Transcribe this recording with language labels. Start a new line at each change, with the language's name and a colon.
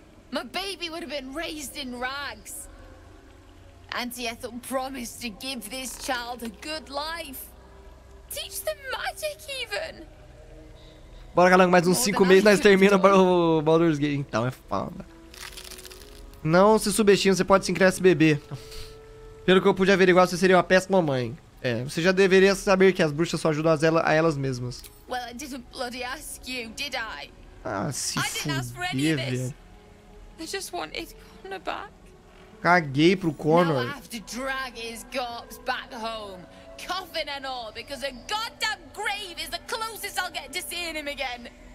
English: My baby would have been raised in rags. Auntie Ethel promised to give this child a good life. Teach them magic even.
Portuguese: Bora, galera, mais uns 5 meses nós terminamos para o Baldur's Gate. Então é foda. Não se subestime, você pode se criar esse bebê. Pelo que eu pude averiguar, você seria uma péssima mãe. É, você já deveria saber que as bruxas só ajudam a elas mesmas.
English: Well, I didn't bloody ask you, did I?
Portuguese: Ah, se fuder, velho.
English: I just wanted Connor back.
Portuguese: Caguei pro Connor.
English: Now I have to drag his corpse back home. Coffin and all, because a goddamn grave is the closest I'll get to seeing him again.